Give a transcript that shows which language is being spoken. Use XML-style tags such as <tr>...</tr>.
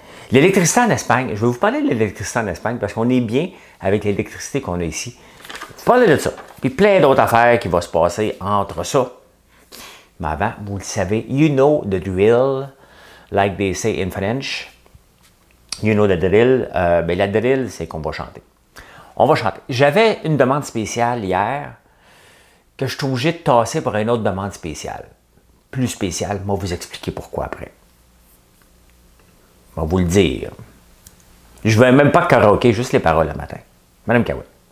<fr>L'électricité en Espagne. Je vais vous parler de l'électricité en Espagne parce qu'on est bien avec l'électricité qu'on a ici. Je vais vous parler de ça. Puis plein d'autres affaires qui vont se passer entre ça. Mais avant, vous le savez,</fr> <en>you know the drill, like they say in French. You know the drill.</en> <fr>La drill, c'est qu'on va chanter. On va chanter. J'avais une demande spéciale hier que je suis obligé de tasser pour une autre demande spéciale. Plus spéciale. Je vais vous expliquer pourquoi après. Je vais vous le dire. Je ne vais même pas karaoké, juste les paroles le matin. Madame Kawa.</fr>